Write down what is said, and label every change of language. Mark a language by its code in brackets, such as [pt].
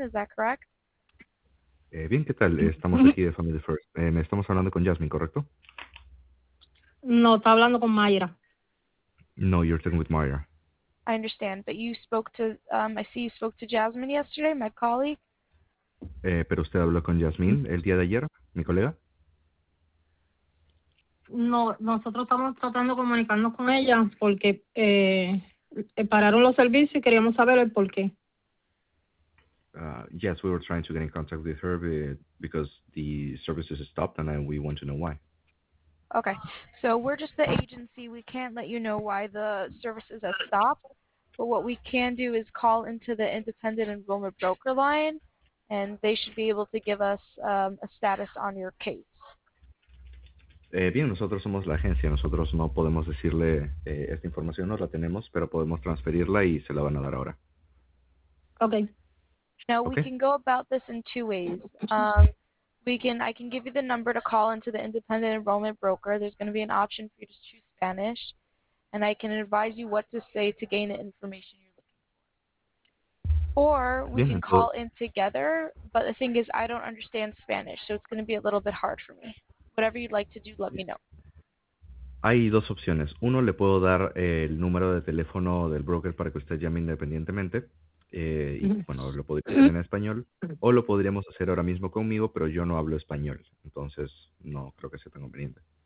[en] Is that correct? [es] Bien, ¿qué tal? Estamos aquí de Family First. Me estamos hablando con Jasmine, ¿correcto? No, está hablando con Mayra. [en] No, you're talking with Maya. I understand, but you spoke to, I see you spoke to Jasmine yesterday, my colleague. [es] ¿Pero usted habló con Jasmine el día de ayer, mi colega? No, nosotros estamos tratando de comunicarnos con ella porque pararon los servicios y queríamos saber el porqué. Yes, we were trying to get in contact with her because the services stopped and then we want to know why. [en] Okay, so we're just the agency. We can't let you know why the services have stopped, but what we can do is call into the independent enrollment broker line, and they should be able to give us a status on your case. [es] Bien, nosotros somos la agencia, nosotros no podemos decirle esta información, no la tenemos, pero podemos transferirla y se la van a dar ahora. [en] Okay. Now we Okay. can go about this in two ways. I can give you the number to call into the independent enrollment broker. There's going to be an option for you to choose Spanish, and I can advise you what to say to gain the information you're looking for. Or we can [es] Bien, entonces. [en] call in together, but the thing is, I don't understand Spanish, so it's going to be a little bit hard for me. Whatever you'd like to do, let me know. [es] Hay dos opciones. Uno, le puedo dar el número de teléfono del broker para que usted llame independientemente. Y bueno, lo podría hacer en español o lo podríamos hacer ahora mismo conmigo, pero yo no hablo español, entonces no creo que sea tan conveniente.